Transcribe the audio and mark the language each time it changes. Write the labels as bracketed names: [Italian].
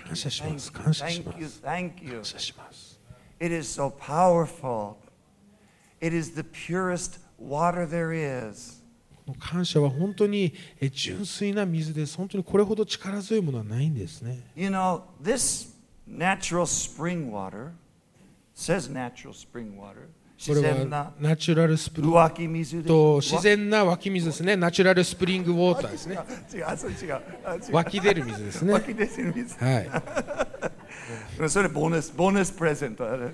[Japanese] 感謝します。感謝します。 [English] Thank you, thank you. [Japanese] 感謝します。 [English] It is so powerful. It is the purest water there is. [Japanese] 感謝は本当に純粋な水です。本当にこれほど力強いものはないんですね。 [English] You know, this natural spring water says natural spring water. [Japanese] これはナチュラルスプリングと自然な湧き水ですね。ナチュラルスプリングウォーターですね。違う。湧き出る水ですね。湧き出る水。はい。それボーナスプレゼント。